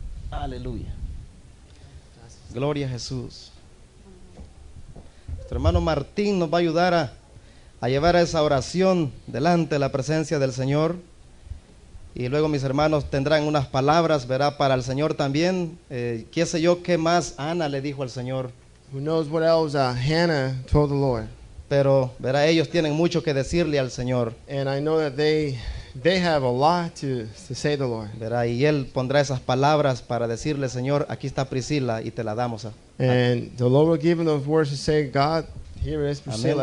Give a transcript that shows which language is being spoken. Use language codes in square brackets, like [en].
[es] Aleluya. Gloria a Jesús. Nuestro hermano Martín nos va a ayudar a llevar esa oración delante de la presencia del Señor. Y luego mis hermanos tendrán unas palabras, verá, para el Señor también. ¿Qué sé yo qué más Ana le dijo al Señor? [en] Who knows what else Hannah told the Lord. [es] Pero, verá, ellos tienen mucho que decirle al Señor. [en] And I know that they have a lot to say to the Lord. [es] Verá, y Él pondrá esas palabras para decirle, Señor, aquí está Priscila y te la damos. [en] And the Lord will give them those words to say, God, here is Priscilla.